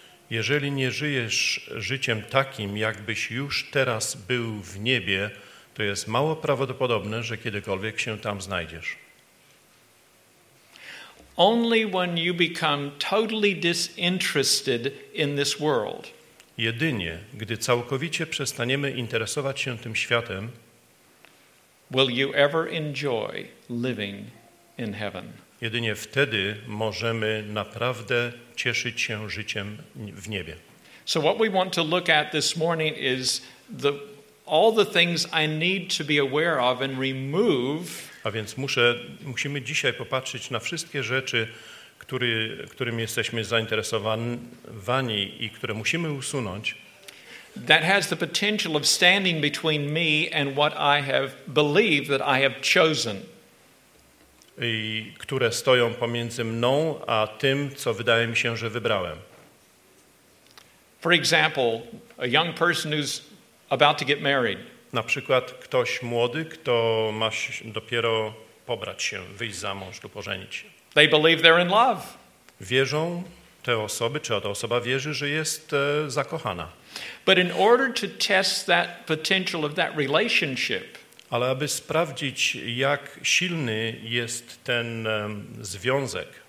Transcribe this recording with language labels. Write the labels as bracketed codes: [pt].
[pl] Jeżeli nie żyjesz życiem takim, jakbyś już teraz był w niebie, to jest mało prawdopodobne, że kiedykolwiek się tam znajdziesz. [en] Only when you become totally disinterested in this world. [pl] Jedynie, gdy całkowicie przestaniemy interesować się tym światem, [en] will you ever enjoy living in heaven? [pl] Jedynie wtedy możemy naprawdę cieszyć się życiem w niebie. [en] So what we want to look at this morning is all the things I need to be aware of and remove. [pl] A więc musimy dzisiaj popatrzeć na wszystkie rzeczy, którymi jesteśmy zainteresowani i które musimy usunąć. [en] That has the potential of standing between me and what I have believed that I have chosen. [pl] I które stoją pomiędzy mną a tym, co wydaje mi się, że wybrałem. [en] For example, a young person who's about to get married. [pl] Na przykład ktoś młody, kto ma dopiero pobrać się, wyjść za mąż lub ożenić się. [en] They believe they're in love. [pl] Wierzą te osoby, czy ta osoba wierzy, że jest zakochana. [en] But in order to test that potential of that relationship, [pl] ale aby sprawdzić, jak silny jest ten związek,